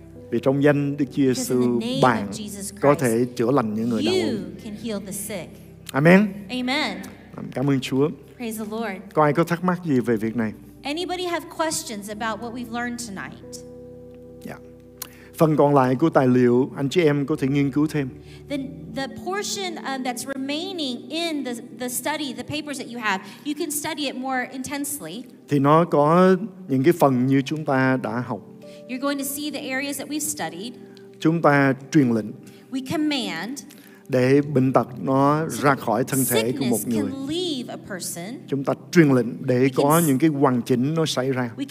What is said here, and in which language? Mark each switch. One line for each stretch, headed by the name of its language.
Vietnamese: Vì trong danh Đức Chúa Giêsu, bạn có thể chữa lành những người đau ốm.
English: Can heal the sick. Amen. Amen.
Vietnamese: Cảm ơn Chúa.
English: Praise the Lord.
Vietnamese: Có ai có thắc mắc gì về việc này?
English: Anybody have questions about what we've learned tonight? Yeah.
Vietnamese: Phần còn lại của tài liệu, anh chị em có thể nghiên cứu thêm.
English: The portion that's remaining in the study, the papers that you have, you can study it more intensely.
Vietnamese: Thì nó có những cái phần như chúng ta đã học.
English: You're going to see the areas that we've studied.
Vietnamese: Chúng ta truyền lệnh.
English: We command.
Vietnamese: Để bệnh tật nó ra khỏi thân thể của một người. Chúng ta truyền lệnh để có những cái hoàn chỉnh nó xảy ra.